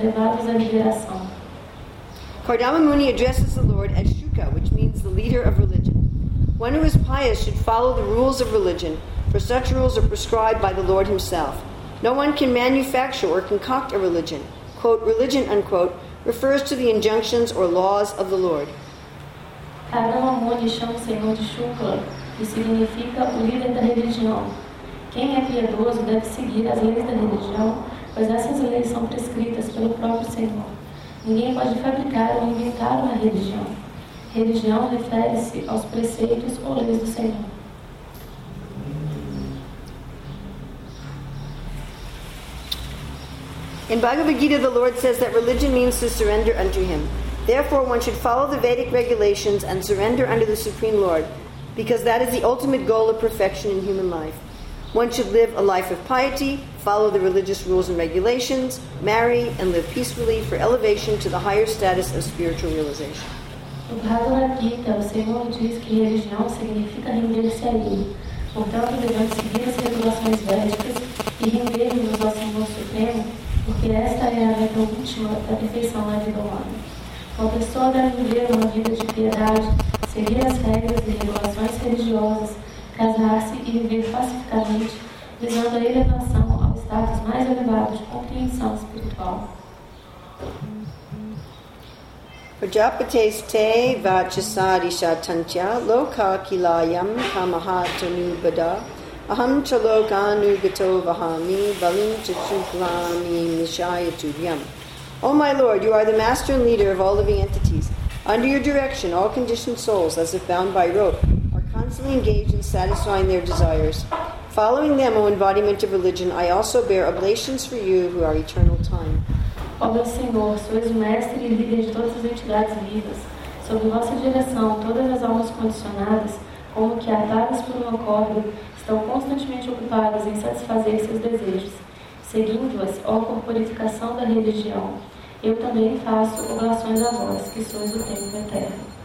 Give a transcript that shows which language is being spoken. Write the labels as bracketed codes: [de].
[en] Kardama Muni addresses the Lord as Shuka, which means the leader of religion. One who is pious should follow the rules of religion, for such rules are prescribed by the Lord himself. No one can manufacture or concoct a religion. Quote, religion, unquote, refers to the injunctions or laws of the Lord. [pt] Kardama Muni chama o Senhor de Shuka, que significa o líder da religião. Quem é piedoso deve seguir as leis da religião, pois essas leis são prescritas pelo próprio Senhor. Ninguém pode fabricar ou inventar uma religião. Religião refere-se aos preceitos ou leis do Senhor. [en] In Bhagavad Gita, the Lord says that religion means to surrender unto Him. Therefore, one should follow the Vedic regulations and surrender under the Supreme Lord, because that is the ultimate goal of perfection in human life. One should live a life of piety, follow the religious rules and regulations, marry, and live peacefully for elevation to the higher status of spiritual realization. [pt] No Bhagavad Gita, o Senhor diz que religião significa render-se a Ele. Portanto, devemos seguir as regulações védicas e render-nos ao Senhor Supremo, porque esta é a meta última da perfeição na vida humana. Uma pessoa deve viver uma vida de piedade, seguir as regras e regulações religiosas, casar-se e viver pacificamente, visando a elevação ao status mais elevado de compreensão espiritual. [sa] Prajapateste vachasadishatantya loka kilayam kamahatanubada Aham chalokanu gato vahami balin chachuklami nishaya tuvyam. [en] O my Lord, you are the master and leader of all living entities. Under your direction, all conditioned souls, as if bound by rope, are constantly engaged in satisfying their desires. Following them, O embodiment of religion, I also bear oblations for you who are eternal time. [pt] Ó meu Senhor, sois o mestre e líder de todas as entidades vivas. Sob vossa direção, todas as almas condicionadas, como que atadas por uma corda, estão constantemente ocupadas em satisfazer seus desejos. Seguindo-as, ó corporificação da religião, eu também faço oblações a vós, que sois o tempo eterno.